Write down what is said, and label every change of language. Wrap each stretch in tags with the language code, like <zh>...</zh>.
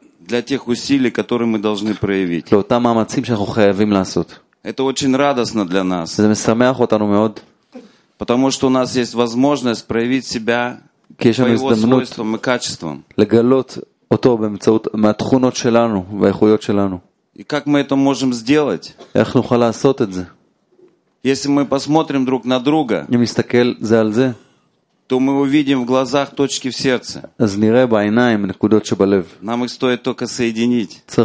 <ru>Для тех усилий, которые мы должны проявить.</ru> <he>לא, там המאמצים שאנחנו חייבים לעשות.</he> <ru>Это очень радостно для нас.</ru> <he>זה משמח אותנו מאוד.</he> <ru>Потому что у нас есть возможность проявить себя по его свойствам и качествам.</ru> <he>לגלות אותו באמצעות, מהתכונות שלנו והאיכויות שלנו.</he> <ru>И как мы это можем сделать?</ru> <he>איך נוכל לעשות את זה?</he> <ru>Если мы посмотрим друг на друга,</ru> <he>אם נסתכל זה על זה,</he> <ru>то мы увидим в глазах точки в сердце. Нам их стоит только соединить.</ru>